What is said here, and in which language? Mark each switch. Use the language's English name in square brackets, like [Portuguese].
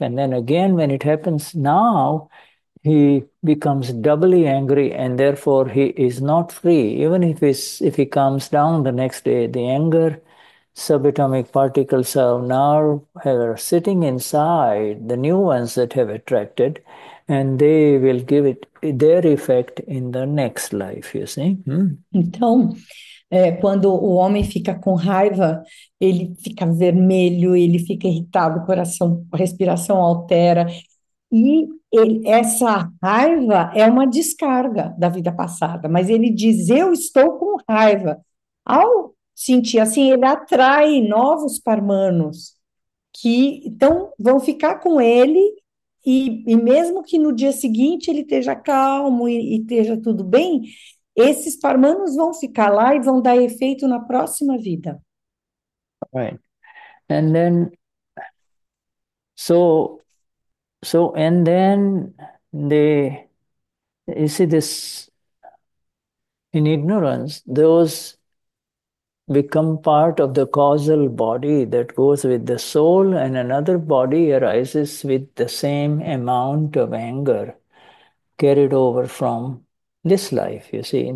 [English] And then again, when it happens now, he becomes doubly angry and therefore he is not free. Even if he calms down the next day, the anger subatomic particles are now sitting inside the new ones that have attracted, and they will give it their effect in the next life, you see. [Portuguese] Então, quando o homem fica com raiva, ele fica vermelho, ele fica irritado, o coração, a respiração altera. E ele, essa raiva é uma descarga da vida passada. Mas ele diz, eu estou com raiva. Ao sentir assim, ele atrai novos parmanos que então, vão ficar com ele. E mesmo que no dia seguinte ele esteja calmo e esteja tudo bem, esses parmanos vão ficar lá e vão dar efeito na próxima vida. [English] Right. And then, so, and then they, you see this, in ignorance, those become part of the causal body that goes with the soul, and another body arises with the same amount of anger carried over from this life, you see.